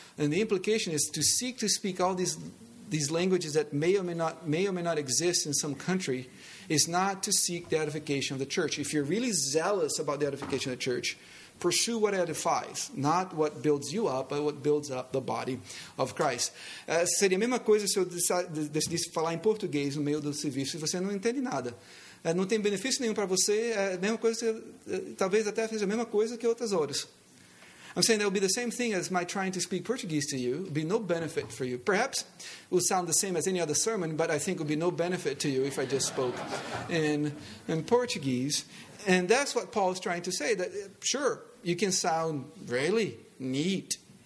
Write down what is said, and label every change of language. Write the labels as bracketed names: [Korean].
[English] And the implication is to seek to speak all these languages that may or may not exist in some country is not to seek the edification of the church. If you're really zealous about the edification of the church, pursue what edifies, not what builds you up, but what builds up the body of Christ. [Portuguese] Seria a mesma coisa se eu decidisse falar em português no meio do serviço e você não entende nada. Não tem benefício nenhum para você. É a mesma coisa, talvez até seja a mesma coisa que outras horas. [English] I'm saying that would be the same thing as my trying to speak Portuguese to you. It would be no benefit for you. Perhaps it would sound the same as any other sermon, but I think it would be no benefit to you if I just spoke in Portuguese. And that's what Paul is trying to say, that sure, you can sound really neat.